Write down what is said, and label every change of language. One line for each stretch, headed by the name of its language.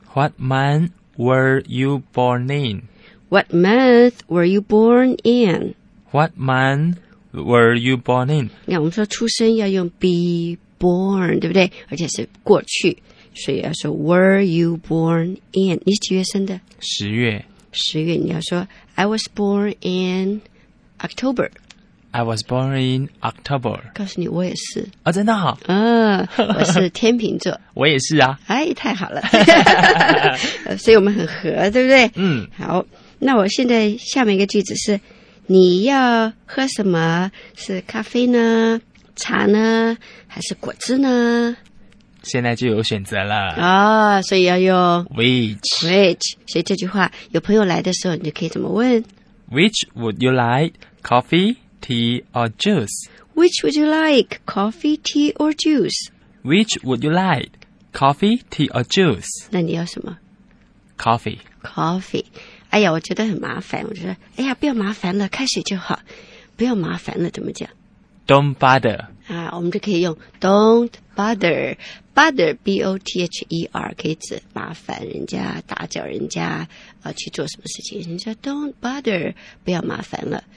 English: What month were you born in? What month were you born in? What month were you born in?
Chinese: 你看，我们说出生要用
English: be born，
Chinese: 对不对？而且是过去，所以要说
English: Were you born in？
Chinese: 你是几月生的？十月你要说
English: I was born in October I was born in October
Chinese: 告诉你我也是、哦、真的好、哦、我是天秤座我也是啊哎，太好了所以我们很合对不对嗯，好那我现在下面一个句子是你要喝什么是咖啡呢茶呢还是果汁呢现在就有选择了啊、哦，所以要用
English: which
Chinese: 所以这句话有朋友来的时候你就可以怎么问
English: which would you like coffee tea or juice which would you like coffee tea or juice which would you like coffee tea or juice
Chinese: 那你要什么
English: coffee
Chinese: 哎呀我觉得很麻烦我觉得哎呀不要麻烦了开水就好不要麻烦了怎么讲
English: don't bother
Chinese: 啊，我们就可以用
English: don't botherBother, B-O-T-H-E-R,
Chinese: 可以指麻烦人家打搅人家、去做什么事情。人家
English: don't bother,
Chinese: 不要麻烦了。